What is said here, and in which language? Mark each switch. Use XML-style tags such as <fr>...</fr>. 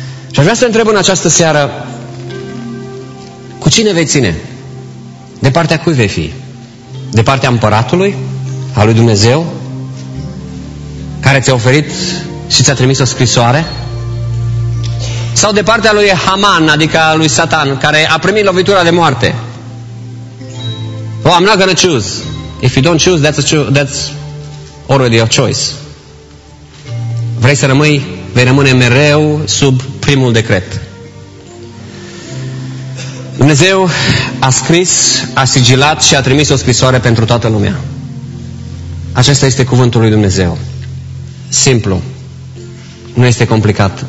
<ro>Și aș vrea să întreb în această seară, cu cine vei ține? De partea cui vei fi? De partea împăratului? A lui Dumnezeu? Care ți-a oferit și ți-a trimis o scrisoare? Sau de partea lui Haman, adică a lui Satan, care a primit lovitura de moarte?</ro> <en>I'm not gonna choose. If you don't choose, that's already your choice.</en> <ro>Vrei să rămâi? Vei rămâne mereu sub primul decret. Dumnezeu a scris, a sigilat și a trimis o scrisoare pentru toată lumea. Acesta este cuvântul lui Dumnezeu. Simplu. Nu este complicat.</ro>